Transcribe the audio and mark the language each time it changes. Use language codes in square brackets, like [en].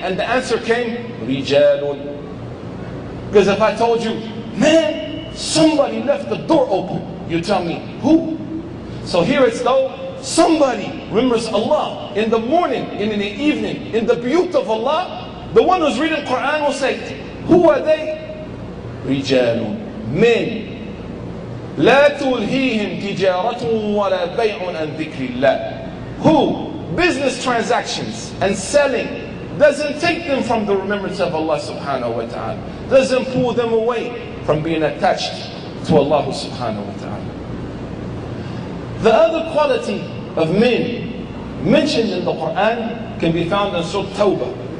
[en] And the answer came, رِجَالٌ. Because if I told you, man, somebody left the door open, you tell me, who? So here it's though, somebody remembers Allah in the morning and in the evening, in the buyut of Allah. The one who's reading Quran will say, who are they? [ar] رِجَالٌ. [en] Men. [ar] لا تلهيهم تجارة ولا بيع عن ذكر الله. [en] Who business transactions and selling doesn't take them from the remembrance of Allah subhanahu wa ta'ala, doesn't pull them away from being attached to Allah subhanahu wa ta'ala. The other quality of men mentioned in the Quran can be found in Surah Tawbah.